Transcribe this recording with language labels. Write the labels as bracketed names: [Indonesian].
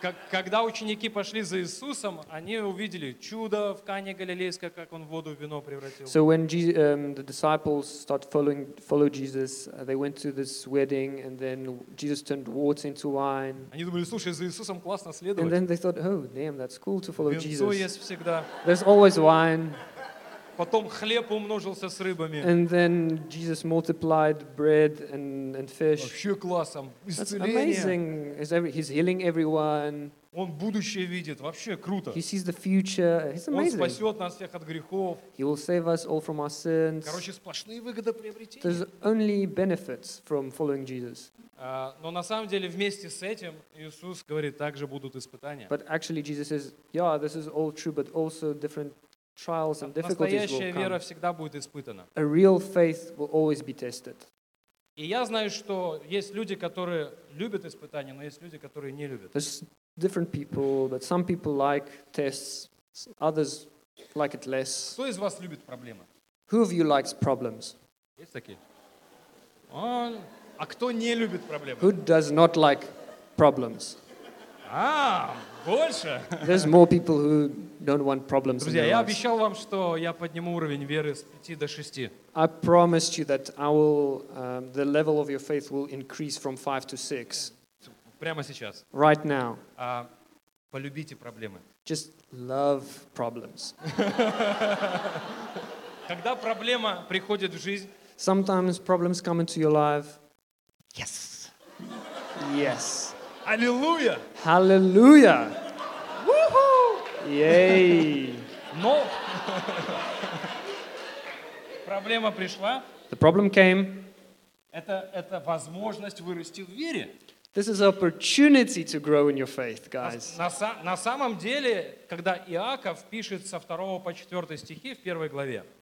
[Russian] Когда ученики пошли за Иисусом, они увидели чудо в Кане Галилейской, как он воду в вино превратил. [English] So when the disciples started follow Jesus, they went to this wedding and then Jesus turned water into wine. [Russian] Они думали, слушай, за Иисусом классно следовать. [English] And then they thought, oh, damn, that's cool to follow [Russian] Вино [English] Jesus. [Russian] Есть всегда. [English] There's always wine. [Russian] Потом хлеб умножился с рыбами. [English] And then Jesus multiplied bread and fish. [Russian] Вообще классно. Исцеление. [English] That's amazing. He's healing everyone. [Russian] Он будущее видит. Вообще круто. [English] He sees the future. It's amazing. [Russian] Он спасет нас всех от грехов. [English] He will save us all from our sins. [Russian] Короче, сплошные выгоды приобретения. [English] There's only benefits from following Jesus. [Russian] Но на самом деле вместе с этим Иисус говорит, также будут испытания. [English] But actually Jesus says, yeah, this is all true, but also different trials and difficulties [Russian] Настоящая [English] will come. [Russian] Вера всегда будет испытана. [English] A real faith will always be tested. [Russian] И я знаю, что есть люди, которые любят испытания, но есть люди, которые не любят. [English] There's different people, but some people like tests, others like it less. [Russian] Кто из вас любит проблемы? [English] Who of you likes problems? [Russian] Есть такие? А кто не любит проблемы? [English] Who does not like problems? [Russian] А, больше. [English] There's more people who don't want problems. [Russian] Друзья, я обещал вам, что я подниму уровень веры с 5 до 6. [English] I promised you that I will the level of your faith will increase from 5 to 6. [Russian] Прямо сейчас. [English] Right now. [Russian] Полюбите проблемы. [English] Just love problems. [Russian] Когда проблема приходит в жизнь, [English] sometimes problems come into your life. Yes. Yes. Hallelujah. Hallelujah. Woohoo! Yay. [Russian] Но проблема пришла. [English] The problem came. [Russian] Это возможность вырасти в вере. [English] This is an opportunity to grow in your faith, guys. [Russian] На самом деле, когда Иаков пишет со 2 по 4 стихи в 1 главе.